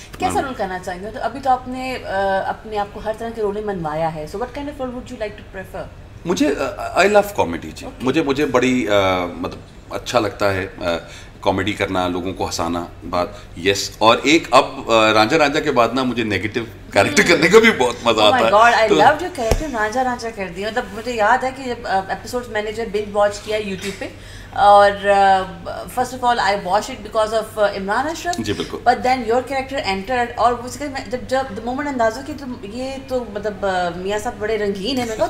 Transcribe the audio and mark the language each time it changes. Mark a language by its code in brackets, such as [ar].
[ur] کیسا رول کرنا چاہیں گے؟ تو ابھی تو آپ نے اپنے آپ کو ہر طرح کے رولیں منوایا ہے, [en] So what kind of role would you like to prefer? [ur] مجھے [en] I love comedy [ur] جی, مجھے بڑی مطلب اچھا لگتا ہے کامیڈی کرنا, لوگوں کو ہنسانا بات یس. اور ایک اب رانجا رانجا کے بعد نا مجھے نیگیٹو کیریکٹر کرنے کا بھی بہت مزہ آتا ہے. [en] Oh my God, I loved your character رانجا رانجا کر دیا. [ur] مطلب مجھے یاد ہے کہ جب ایپیسوڈ میں نے جو بنج واچ کیا یوٹیوب پہ, اور [en] first of all I watched it because of [ur] Imran اشرف جی بالکل, [en] but then your character entered [ur] اور جب دا مومنٹ اندازوں کی تو یہ تو مطلب میاں صاحب بڑے رنگین ہیں.